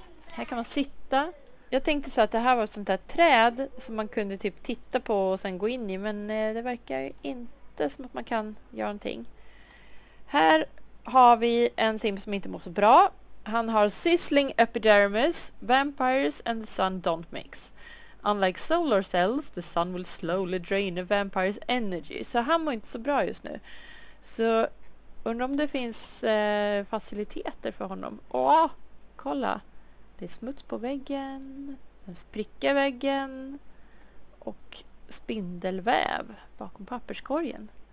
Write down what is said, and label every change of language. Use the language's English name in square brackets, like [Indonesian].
[Swedish] Här kan man sitta. Jag tänkte så att det här var ett sånt där träd som man kunde typ titta på och sen gå in i. Men det verkar inte som att man kan göra någonting. Här har vi en sim som inte mår så bra. Han har [English] sizzling epidermis, vampires and the sun don't mix. Unlike solar cells, the sun will slowly drain a vampire's energy. [Swedish] Så han mår inte så bra just nu. Så... undrar om det finns faciliteter för honom. Åh, kolla. Det är smuts på väggen. Den spricker väggen. Och spindelväv bakom papperskorgen.